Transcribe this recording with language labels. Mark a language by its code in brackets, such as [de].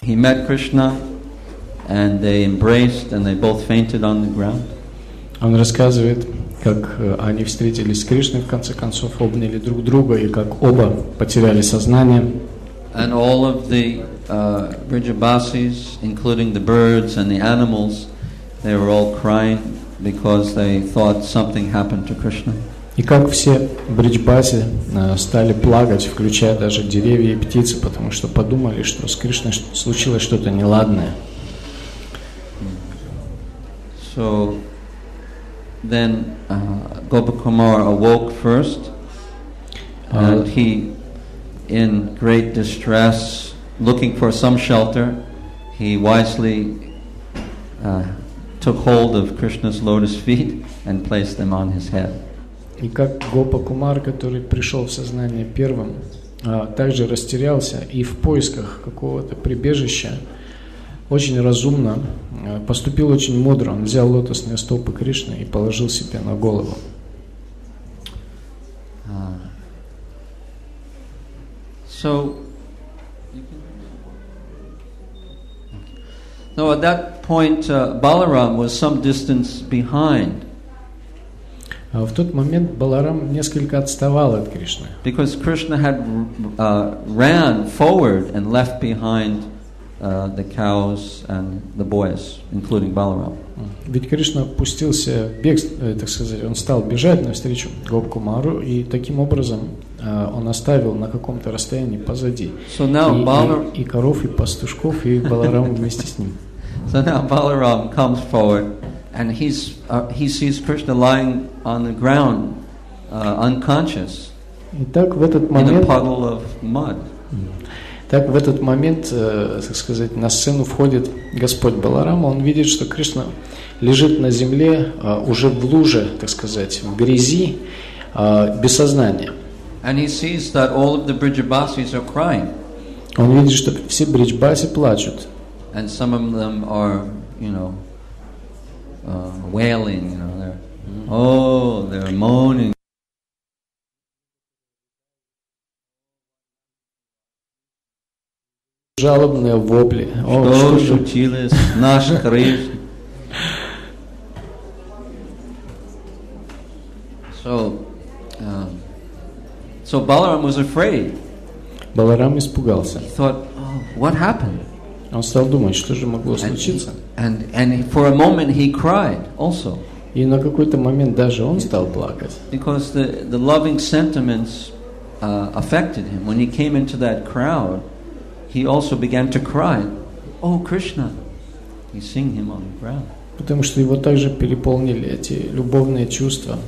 [en] He met Krishna, and they embraced, and they both fainted on the ground. [ru] Он рассказывает, как они встретились с Кришной, в конце концов обняли друг друга, и как оба потеряли сознание. [en] And all of the Vrijabasis, including the birds and the animals, they were all crying because they thought something happened to Krishna. [ru] И как все бриджбаси стали плакать, включая даже деревья и птицы, потому что подумали, что с Кришной случилось что-то неладное. [en] So then Gopakumar awoke first, and he, in great distress, looking for some shelter, he wisely took hold of Krishna's lotus feet and placed them on his head. [ru] И как Гопакумар, который пришел в сознание первым, также растерялся и в поисках какого-то прибежища, очень разумно, поступил очень мудро, он взял лотосные стопы Кришны и положил себе на голову. [en] So, no, at that point, Balaram was some distance behind. [ru] В тот момент Баларам несколько отставал от Кришны. [en] Because Krishna had ran forward and left behind the cows and the boys, including Balaram. [ru] Ведь Кришна пустился в бег, так сказать, он стал бежать навстречу Гопакумару, и таким образом он оставил на каком-то расстоянии позади и коров, и пастушков, и Баларам вместе с ним. [en] So now Balaram comes forward. And he's he sees Krishna lying on the ground, unconscious. [ru] Итак, в этот момент, [en] in a puddle of mud. [ru] Так в этот момент, так сказать, на сцену входит Господь Баларама. Он видит, что Кришна лежит на земле уже в луже, так сказать, в грязи, без сознания. [en] And he sees that all of the Brijabasis are crying. [ru] Он видит, что все Брижбаси плачут. [en] And some of them are, you know. Wailing, you know, they're moaning. [ru] Жалобные вопли. Что случилось, наш Кришна? [en] So Balaram was afraid. [ru] Баларам испугался. [en] He thought, what happened? [ru] Он стал думать, что же могло случиться. [en] And for a moment he cried also. [ru] И на какой-то момент даже он стал плакать. [en] Because the loving sentiments affected him. When he came into that crowd, he also began to cry. Oh, Krishna! He's seeing him on the ground. [ru] Потому что его также переполнили эти любовные чувства.